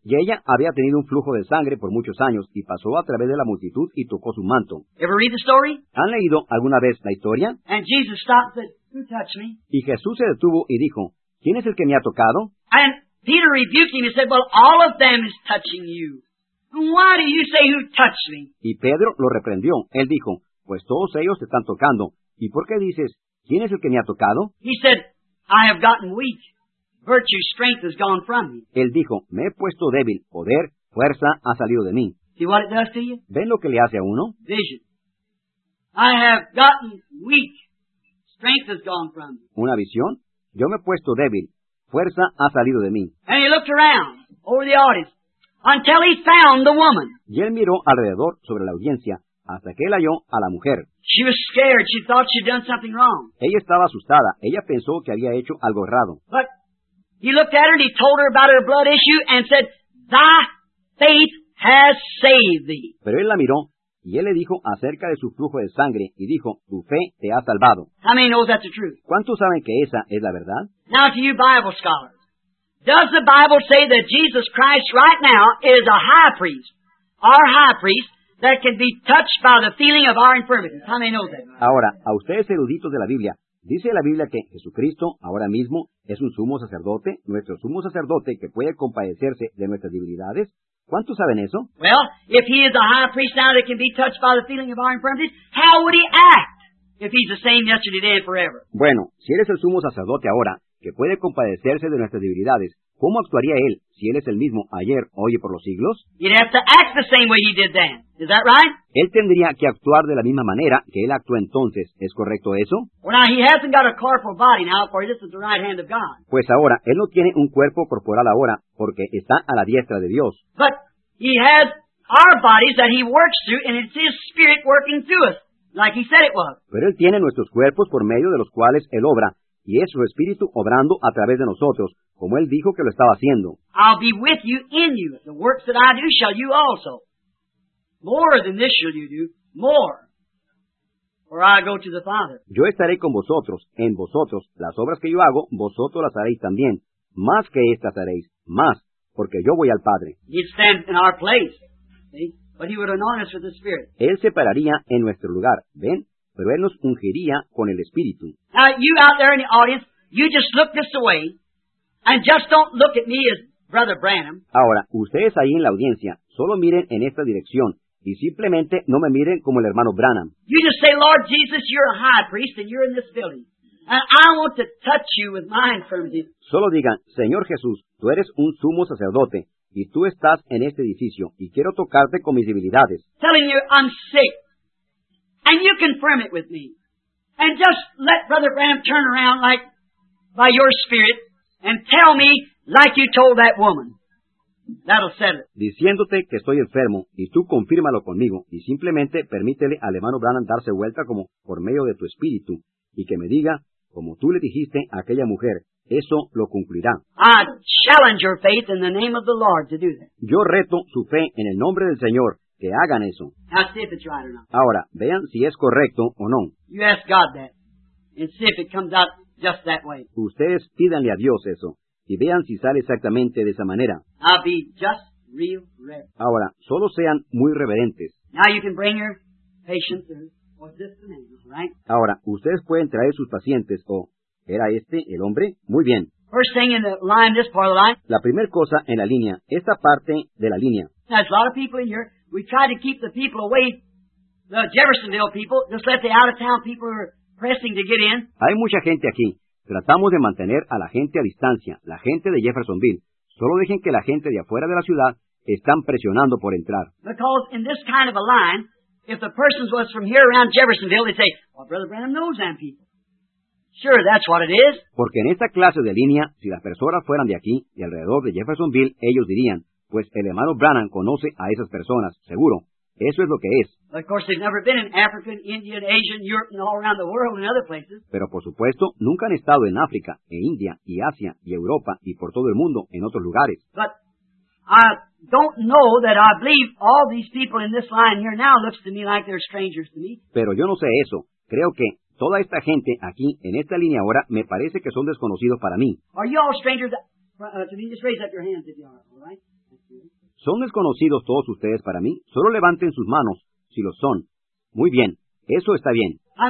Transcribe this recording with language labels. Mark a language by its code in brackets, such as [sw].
[es] Y ella había tenido un flujo de sangre por muchos años y pasó a través de la multitud y tocó su manto. [en] Ever read the story? [es] ¿Han leído alguna vez la historia? [en] And Jesus stopped and said, who touched me? [es] Y Jesús se detuvo y dijo, ¿quién es el que me ha tocado? [en] And Peter rebuked him and said, well, all of them is touching you. Why do you say who touched me? [es] Y Pedro lo reprendió. Él dijo, pues todos ellos te están tocando. ¿Y por qué dices, quién es el que me ha tocado? [en] He said, I have gotten weak. Virtue, strength has gone from me. [es] Él dijo, me he puesto débil. Poder, fuerza ha salido de mí. [en] See what it does to you? [es] ¿Ven lo que le hace a uno? [en] Vision. I have gotten weak. Strength has gone from me. [es] ¿Una visión? Yo me he puesto débil. Fuerza ha salido de mí. [en] And he looked around over the audience until he found the woman. [es] Y él miró alrededor sobre la audiencia hasta que él halló a la mujer. [en] She was scared. She thought she'd done something wrong. [es] Ella estaba asustada. Ella pensó que había hecho algo errado. [en] But he looked at her and he told her about her blood issue and said, thy faith has saved thee. [es] Pero él la miró y él le dijo acerca de su flujo de sangre y dijo, tu fe te ha salvado. [en] How many knows that's the truth? [es] ¿Cuántos saben que esa es la verdad? [en] Now to you Bible scholars. Does the Bible say that Jesus Christ right now is a high priest? Our high priest. that can be touched by the feeling of our infirmities. How many know that? [es] Ahora, a ustedes eruditos de la Biblia, dice la Biblia que Jesucristo ahora mismo es un sumo sacerdote, nuestro sumo sacerdote que puede compadecerse de nuestras debilidades. ¿Cuántos saben eso? [en] Well, if he is a high priest now that can be touched by the feeling of our infirmities, how would he act if he's the same yesterday, today, and forever? [es] Bueno, si eres el sumo sacerdote ahora que puede compadecerse de nuestras debilidades, ¿cómo actuaría él si él es el mismo ayer, hoy y por los siglos? [en] He'd have to act the same way he did then. Is that right? [es] Él tendría que actuar de la misma manera que él actuó entonces. ¿Es correcto eso? [en] Well, now, he hasn't got a corporal body now, for this is the right hand of God. [es] Pues ahora, él no tiene un cuerpo corporal ahora, porque está a la diestra de Dios. [en] But he has our bodies that he works through, and it's his spirit working through us, like he said it was. [es] Pero él tiene nuestros cuerpos por medio de los cuales él obra, y es su espíritu obrando a través de nosotros, como él dijo que lo estaba haciendo. [en] I'll be with you in you. The works that I do shall you also. More than this shall you do. More. For I go to the Father. [es] Yo estaré con vosotros, en vosotros. Las obras que yo hago, vosotros las haréis también. Más que estas haréis. Más. Porque yo voy al Padre. [en] He'd stand in our place. See? But he would anoint us with the Spirit. [es] Él se pararía en nuestro lugar. ¿Ven? Pero él nos ungiría con el Espíritu. [en] Now, you out there in the audience, you just look this way, and just don't look at me as Brother Branham. [es] Ahora, ustedes ahí en la audiencia, solo miren en esta dirección, y simplemente no me miren como el hermano Branham. [en] You just say, Lord Jesus, you're a high priest, and you're in this building. And I want to touch you with my infirmities. [es] Solo digan, Señor Jesús, tú eres un sumo sacerdote, y tú estás en este edificio, y quiero tocarte con mis debilidades. [en] Telling you, I'm sick. And you confirm it with me. And just let Brother Branham turn around like by your spirit and tell me like you told that woman. That'll settle it. [es] Diciéndote que estoy enfermo y tú confírmalo conmigo y simplemente permítele al hermano Branham darse vuelta como por medio de tu espíritu y que me diga como tú le dijiste a aquella mujer. Eso lo cumplirá. [en] I challenge your faith in the name of the Lord to do that. [es] Yo reto su fe en el nombre del Señor. Que hagan eso. [en] Now see if it's right or not. [es] Ahora, vean si es correcto o no. [en] You ask God that, and see if it comes out just that way. [es] Ustedes pídanle a Dios eso, y vean si sale exactamente de esa manera. [en] I'll be just real reverent. [es] Ahora, solo sean muy reverentes. [en] Now you can bring your patients, or is this the man, right? [es] Ahora, ustedes pueden traer sus pacientes, o, ¿era este el hombre? Muy bien. [en] First thing in the line, this part of the line. [es] La primera cosa en la línea, esta parte de la línea. [en] Now, there's a lot of people in here. We try to keep the people away, the Jeffersonville people, just let the out-of-town people who are pressing to get in. [es] Hay mucha gente aquí. Tratamos de mantener a la gente a distancia, la gente de Jeffersonville. Solo dejen que la gente de afuera de la ciudad están presionando por entrar. [en] Because in this kind of a line, if the person was from here around Jeffersonville, they'd say, well, Brother Branham knows them people. Sure, that's what it is. [es] Porque en esta clase de línea, si las personas fueran de aquí y alrededor de Jeffersonville, ellos dirían, pues el hermano Branham conoce a esas personas, seguro. Eso es lo que es. [en] Of course, they've never been in African, Indian, Asian, Europe, and all around the world and other places. [es] Pero por supuesto, nunca han estado en África, e India, y Asia, y Europa, y por todo el mundo, en otros lugares. [en] But I don't know that I believe all these people in this line here now looks to me like they're strangers to me. [es] Pero yo no sé eso. Creo que toda esta gente aquí, en esta línea ahora, me parece que son desconocidos para mí. [en] Are you all strangers to me? Just raise up your hands if you are, all right? [es] ¿Son desconocidos todos ustedes para mí? Solo levanten sus manos si lo son. Muy bien, eso está bien.